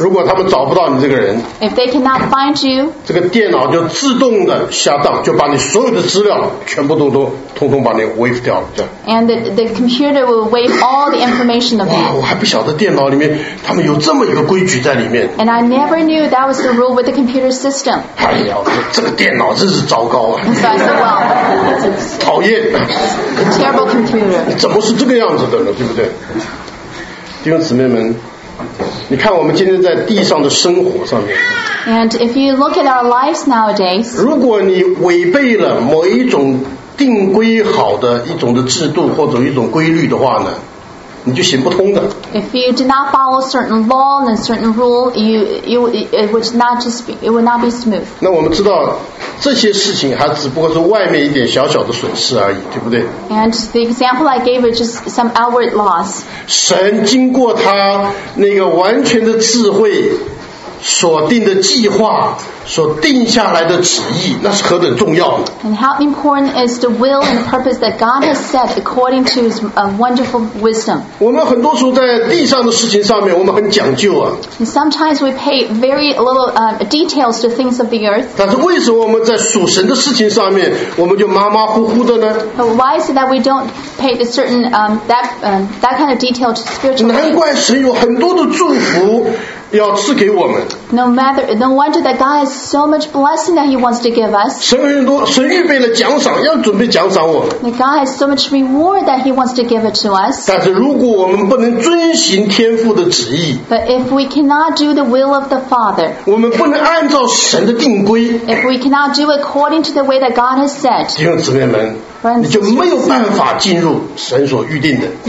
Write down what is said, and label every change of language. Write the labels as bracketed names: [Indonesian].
[Chinese] 如果他们找不到你这个人, [English] if they cannot find you, [Chinese] 这个电脑就自动的下档, 就把你所有的资料全部都通通把你 wave 掉了, 这样。 [English] And the computer will wave all the information of that. [Chinese] 哇, 我还不晓得电脑里面他们有这么一个规矩在里面。 [English] And I never knew that was the rule with the computer system. [Chinese] 哎呀, 这个电脑真是糟糕啊。 [English] So I said, well, [Chinese] 讨厌。 [English] Terrible computer. [Chinese] 怎么是这个样子的呢，对不对？弟兄姊妹们，你看我们今天在地上的生活上面。 [English] And if you look at our lives nowadays, [Chinese] 如果你违背了某一种定规好的一种的制度或者一种规律的话呢，你就行不通的。 [English] If you do not follow certain law and certain rule, it would not be smooth. [Chinese] 那我们知道这些事情还只不过是外面一点小小的损失而已，对不对？ [English] And the example I gave is just some outward loss. [Chinese] 神经过他那个完全的智慧所定的计划，所定下来的旨意，那是何等重要的。 [English] And how important is the will and purpose that God has set according to his wonderful wisdom. [Chinese] 我们很多时候在地上的事情上面我们很讲究啊。 [English] And sometimes we pay very little details to things of the earth. [Chinese] 但是为什么我们在属神的事情上面我们就马马虎虎的呢？ [English] But why is it that we don't pay the certain that kind of detail to spiritual [Chinese] things? 难怪神有很多的祝福要赐给我们。 [English] No wonder that God has so much blessing that he wants to give us. [Chinese] 神预备了奖赏，要准备奖赏我们。 [English] God has so much reward that he wants to give it to us. [Chinese] 但是如果我们不能遵行天父的旨意， [English] But if we cannot do the will of the Father, [Chinese] 我们不能按照神的定规， [English] If we cannot do according to the way that God has set, [Chinese] 弟兄姊妹们， [English] Friends, [Chinese] 你就没有办法进入神所预定的，